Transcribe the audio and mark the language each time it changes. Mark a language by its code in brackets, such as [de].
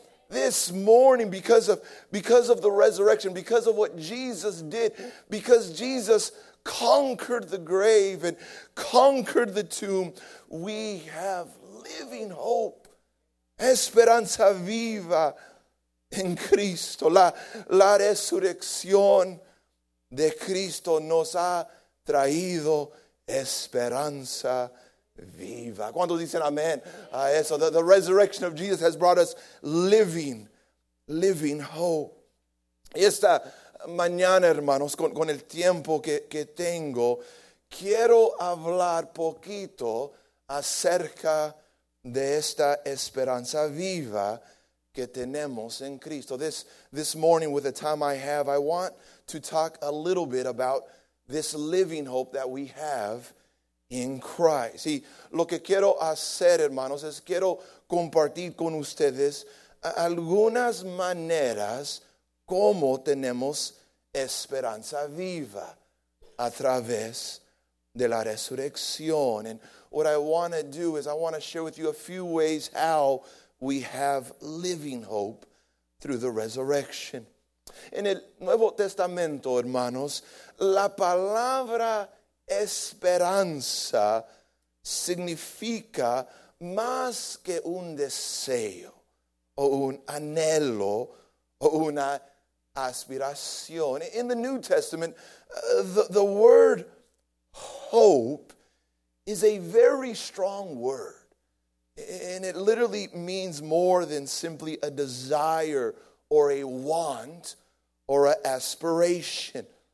[en] This morning, because of the resurrection, because of what Jesus did, because Jesus conquered the grave and conquered the tomb, we have living hope, [es] esperanza viva en Cristo. La resurrección de Cristo nos ha traído esperanza viva. ¿Cuántos dicen amén a eso? [en] The resurrection of Jesus has brought us living hope. [es] Y esta mañana, hermanos, con el tiempo que tengo, quiero hablar poquito acerca de esta esperanza viva que tenemos en Cristo. [en] This morning, with the time I have, I want to talk a little bit about this living hope that we have in Christ. [es] Y lo que quiero hacer, hermanos, es quiero compartir con ustedes algunas maneras como tenemos esperanza viva a través de la resurrección. [en] And what I want to do is I want to share with you a few ways how we have living hope through the resurrection. [es] En el Nuevo Testamento, hermanos, la palabra esperanza significa más que un deseo o un anhelo o una aspiración. [en] In the New Testament, the word hope is a very strong word. And it literally means more than simply a desire or a want or an aspiration.